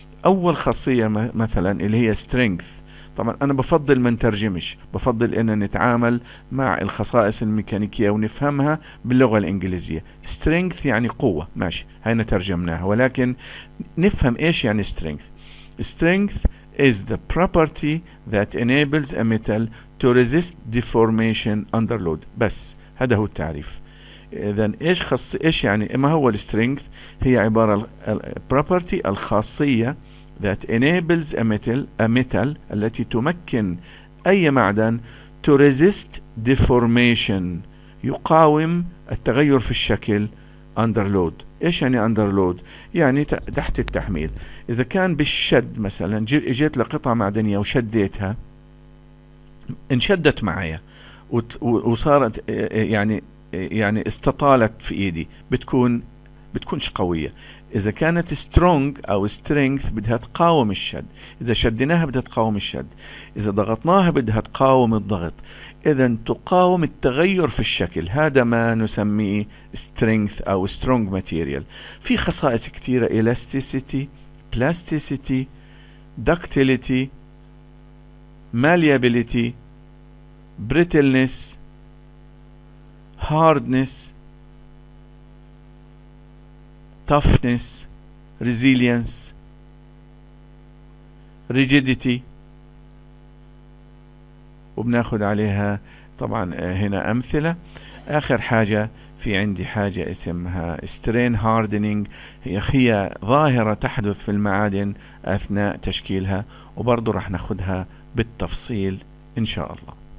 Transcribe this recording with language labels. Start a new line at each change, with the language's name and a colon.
Arabic: أول خاصية مثلا اللي هي strength، طبعا أنا بفضل ما نترجمش، بفضل أن نتعامل مع الخصائص الميكانيكية ونفهمها باللغة الإنجليزية. strength يعني قوة، ماشي هينا ترجمناها، ولكن نفهم إيش يعني strength.
English: strength is the property that enables a metal to resist deformation under load.
Arabic: بس هذا هو التعريف. إذن إيش يعني ما هو السترينغث؟ هي عبارة property، الخاصية
English: that enables a metal
Arabic: التي تمكن أي معدن
English: to resist deformation،
Arabic: يقاوم التغير في الشكل
English: under load.
Arabic: إيش يعني under load؟ يعني تحت التحميل. إذا كان بالشد مثلا، جيت لقطعة معدنية وشديتها، انشدت معايا وصارت يعني استطالت في إيدي، بتكونش قوية. إذا كانت strong أو strength بدها تقاوم الشد، إذا شدناها بدها تقاوم الشد، إذا ضغطناها بدها تقاوم الضغط، إذا تقاوم التغير في الشكل. هذا ما نسميه strength أو strong material. في خصائص كثيرة:
English: elasticity, plasticity, ductility, malleability, brittleness, hardness, toughness, resilience, rigidity.
Arabic: وبناخد عليها طبعا هنا أمثلة. آخر حاجة في عندي حاجة اسمها strain hardening، هي ظاهرة تحدث في المعادن أثناء تشكيلها، وبرضو راح ناخدها بالتفصيل إن شاء الله.